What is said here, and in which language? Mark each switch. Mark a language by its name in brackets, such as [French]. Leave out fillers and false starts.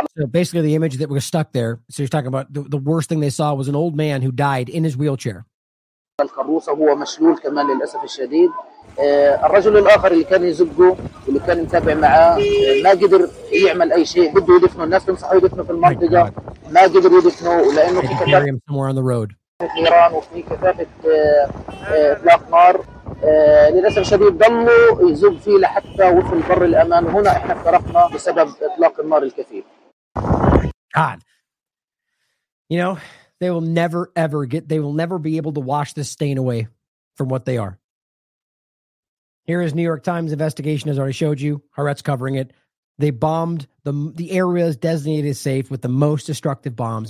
[English] basically the image that was stuck there, so you're talking about the worst thing they saw was an old man who died in his wheelchair. [Arabic] الكروسة هو مشلول كمان للأسف الشديد الرجل الآخر اللي كان يزقه واللي كان يتابع معاه ما قدر يعمل أي شيء بده يدفنه الناس بنصحوا يدفنه في المنطقة ما قدر يدفنه لأنه في كثافة إيران وفي كثافة إطلاق نار للأسف الشديد ضلوا يزق فيه لحتى وصل بر الأمان هنا إحنا افترقنا بسبب إطلاق النار الكثير [English] God. You know They will never, ever get, they will never be able to wash this stain away from what they are. Here is New York Times investigation, as I already showed you. Haaretz covering it. They bombed the areas designated safe with the most destructive bombs.